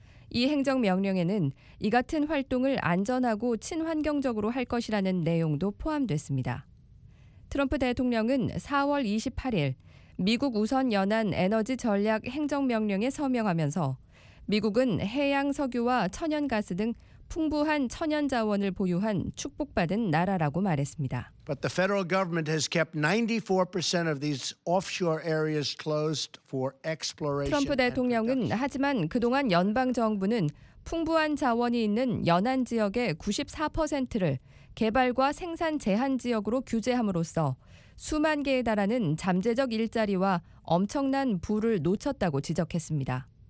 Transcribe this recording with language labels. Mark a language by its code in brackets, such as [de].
[ko] 이 행정명령에는 이 같은 활동을 안전하고 친환경적으로 할 것이라는 내용도 포함됐습니다. 트럼프 대통령은 4월 28일 미국 우선 연안 에너지 전략 행정명령에 서명하면서 미국은 해양 석유와 천연가스 등 풍부한 천연 자원을 보유한 축복받은 나라라고 말했습니다. [en] But the federal government has kept 94% of these offshore areas closed for exploration. [ko] 트럼프 대통령은 하지만 그동안 연방 정부는 풍부한 자원이 있는 연안 지역의 94%를 개발과 생산 제한 지역으로 규제함으로써 수만 개에 달하는 잠재적 일자리와 엄청난 부를 놓쳤다고 지적했습니다.